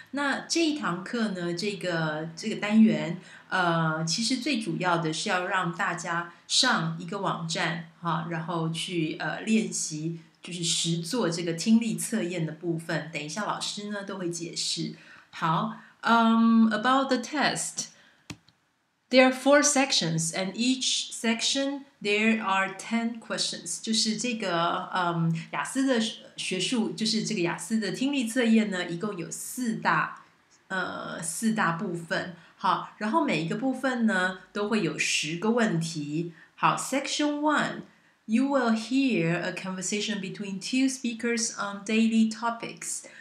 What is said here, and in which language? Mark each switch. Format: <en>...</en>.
<zh>那这一堂课呢，这个单元，其实最主要的是要让大家上一个网站，哈，然后去练习，就是实做这个听力测验的部分。等一下老师呢都会解释。</zh> <en>好，about the test。 There are four sections, and each section there are 10 questions.</en> <zh>就是这个雅思的学术，就是这个雅思的听力测验呢，一共有四大部分。好，然后每一个部分呢，都会有十个问题。</zh> <en>好 ，Section one, you will hear a conversation between two speakers on daily topics.</en>